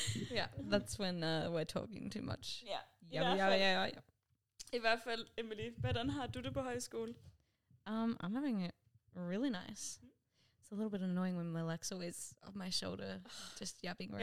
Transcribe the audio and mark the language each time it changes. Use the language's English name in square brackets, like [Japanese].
[English] Yeah, that's when we're talking too much. Yeah. Yabba yabba yabba yabba. [Danish] I hvert fald, Emily, hvordan har du det på højskole? [English] I'm having it really nice. It's a little bit annoying when Malek's always on my shoulder, just yapping around.